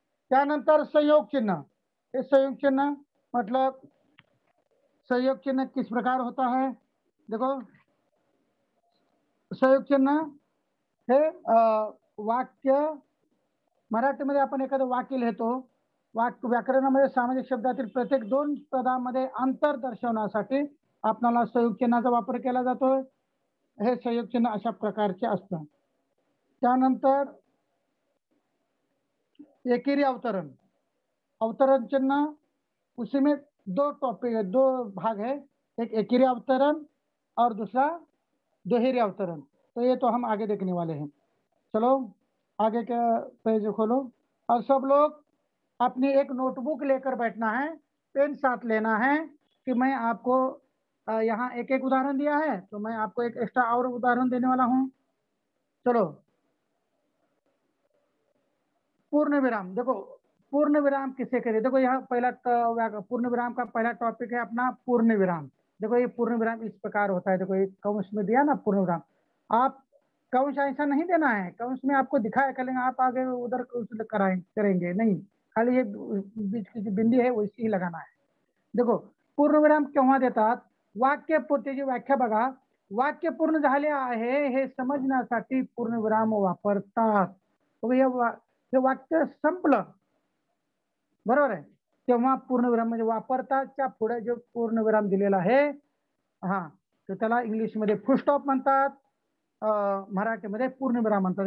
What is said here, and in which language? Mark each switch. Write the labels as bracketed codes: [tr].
[mr] त्यानंतर संयोग चिन्ह, हे संयोग चिन्ह [hi] मतलब संयोग चिन्ह किस प्रकार होता है, [mr] देखो संयोग चिन्ह हे वाक्य, मराठीमध्ये आपण एखादं वाक्य लिहितो, वाक्य व्याकरणामध्ये सामाजिक शब्दातील प्रत्येक दोन पदांमध्ये अंतर दर्शवण्यासाठी आपल्याला संयोग चिन्हाचा वापर केला जातो, हे संयोग चिन्ह अशा प्रकारचे असतात. [hi] त्यानंतर एकेरी अवतरण, अवतरण चिन्ह उसीमे दो टॉपिक है, दो भाग है, एक एकेरी अवतरण और दूसरा दोहेरी अवतरण, तो ये तो हम आगे देखने वाले हैं. चलो आगे का पेज खोलो, और सब लोग अपनी एक नोटबुक लेकर बैठना है, पेन साथ लेना है, कि मैं आपको यहाँ एक एक उदाहरण दिया है तो मैं आपको एक एक्स्ट्रा और उदाहरण देने वाला हूँ. चलो पूर्ण विराम, देखो पूर्ण विराम किसे कहते हैं, देखो यहाँ पहला पूर्ण विराम का पहला टॉपिक है अपना पूर्ण विराम. देखो ये पूर्ण विराम इस प्रकार होता है, देखो ये कंस में दिया ना पूर्ण विराम, आप कंस ऐसा नहीं देना है, कंस में आपको दिखाया करेंगे आप आगे उधर करेंगे नहीं, खाली ये बीच की जो बिंदी है वैसे ही लगाना है. देखो पूर्ण विराम क्यों देता, [mr] वाक्य पूर्तीची व्याख्या बघा, वाक्य पूर्ण झाले आहे हे समजण्यासाठी पूर्ण विराम वापरतात. हे वाक्य संपलं बरोबर आहे तेव्हा पूर्ण विराम म्हणजे वापरतात, त्या पुढे जो पूर्ण विराम दिलेला आहे हा तर त्याला इंग्लिशमध्ये फुल स्टॉप म्हणतात, मराठीमध्ये पूर्ण विराम म्हणतात.